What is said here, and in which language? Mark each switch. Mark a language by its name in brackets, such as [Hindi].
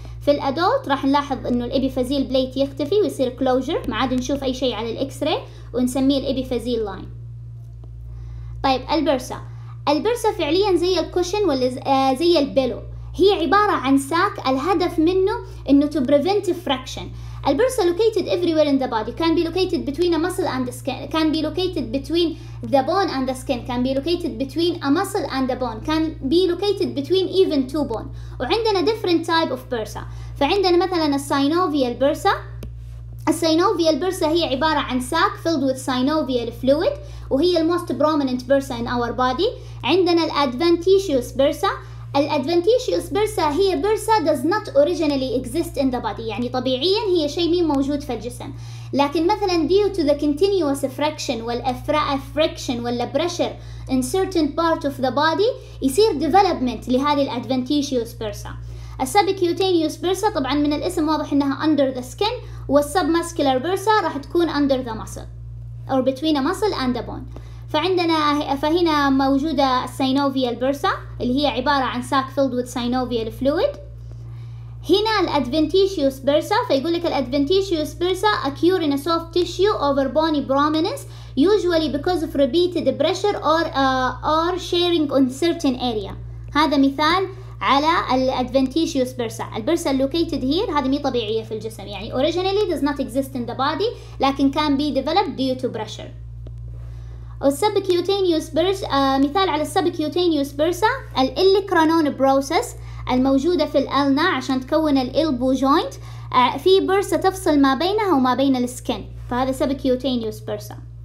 [Arabic] في الأدولت راح نلاحظ إنه الإبيفازيل بليت يختفي ويصير closure، ما عاد نشوف أي شيء على الإكس راي ونسميه الإبيفازيل لاين. طيب البرسا، البرسا فعليا زي الكوشن ولا زي البيلو، هي عبارة عن ساك الهدف منه إنه [English] to prevent fraction. البرسا located everywhere in the body. Can be located between a muscle and the skin. Can be located between the bone and the skin. Can be located between a muscle and a bone. Can be located between even two bone. [Arabic] وعندنا [English] different type of bursa. [Arabic] فعندنا مثلا synovial bursa. [English] Synovial bursa [Arabic] هي عبارة عن ساك [English] filled with synovial fluid. [Arabic] وهي [English] the most prominent bursa in our body. [Arabic] عندنا [English] adventitious bursa. [Arabic] الادفنتيشيوس برسا هي برسا [English] does not originally exist in the body، [Arabic] يعني طبيعيا هي شيء مين موجود في الجسم، لكن مثلا [English] due to the continuous friction [Arabic] والفريكشن ولا [English] pressure in certain part of the body [Arabic] يصير development لهذه الادفنتيشيوس برسا. السبكيوتينيوس برسا طبعا من الاسم واضح انها [English] under the skin، [Arabic] والسبماسكولار برسا راح تكون [English] under the muscle or between a muscle and a bone. [Arabic] فعندنا فهنا موجودة synovial bursa اللي هي عبارة عن [English] sac filled with synovial fluid. هنا الadventitious bursa، فيقولك الadventitious bursa occur in a soft tissue over bony prominence usually because of repeated pressure or sharing on certain area. [Arabic] هذا مثال على الadventitious bursa. [English] البرسا located here [Arabic] هذه مي طبيعية في الجسم، يعني [English] originally does not exist in the body [Arabic] لكن [English] can be developed due to pressure. [Arabic] السبكيوتينيوس برسا مثال على السبكيوتينيوس برسا الإلكرانون بروسس الموجودة في الألنا عشان تكون الإلبو جوينت، في برسا تفصل ما بينها وما بين السكن، فهذا سبكيوتينيوس برسا.